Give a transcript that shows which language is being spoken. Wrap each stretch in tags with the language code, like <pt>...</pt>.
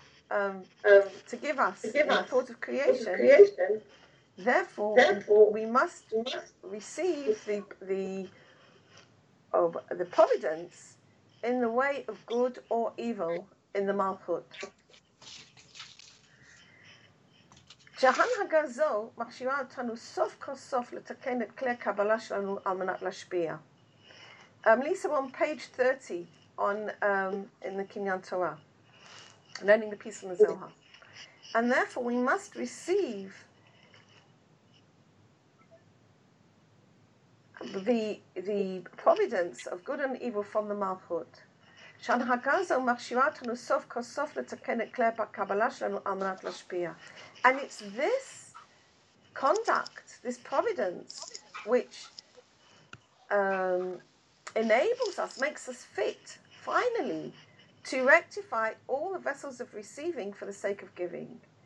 <en>to give us the thought of creation. Therefore, we must receive the providence in the way of good or evil in the malchut.</en> <he>שההנהגה הזו מכשירה אותנו סוף כל סוף לתקן את כלי הקבלה שלנו על מנת להשפיע.</he> <en>Lisa, on page 30 on in the Kinyan Torah, learning the piece in the Zohar. And therefore we must receive the providence of good and evil from the Malchut.</en> <he>שההנהגה הזו מכשירה אותנו סוף כל סוף לתקן את כלי הקבלה שלנו על מנת להשפיע.</he> <en>And it's this conduct, this providence, which enables us, makes us fit, finally, to rectify all the vessels of receiving for the sake of giving.</en>